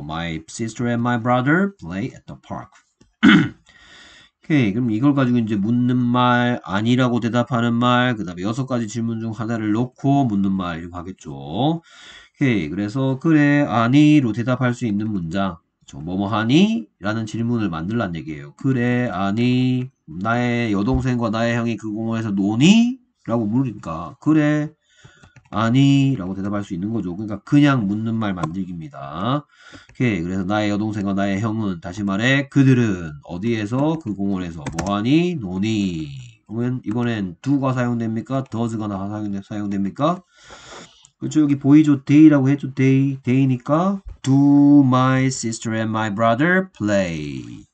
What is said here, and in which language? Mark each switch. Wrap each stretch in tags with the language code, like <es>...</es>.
<en>My sister and my brother play at the park.</en> <ko>오케이. 그럼 이걸 가지고 이제 묻는 말, 아니라고 대답하는 말, 그 다음에 여섯 가지 질문 중 하나를 놓고 묻는 말, 이렇게 하겠죠. 오케이. 그래서, 그래, 아니로 대답할 수 있는 문장. 저 뭐뭐 하니? 라는 질문을 만들란 얘기예요. 그래, 아니, 나의 여동생과 나의 형이 그 공원에서 노니? 라고 물으니까, 그래, 아니, 라고 대답할 수 있는 거죠. 그러니까, 그냥 묻는 말 만들기입니다. 오케이. 그래서, 나의 여동생과 나의 형은, 다시 말해, 그들은, 어디에서, 그 공원에서, 뭐하니, 노니. 그러면, 이번엔, do가 사용됩니까? does가 사용됩니까? 그렇죠. 여기 보이죠? day라고 했죠? day. day니까,</ko> <en>do my sister and my brother play.</en>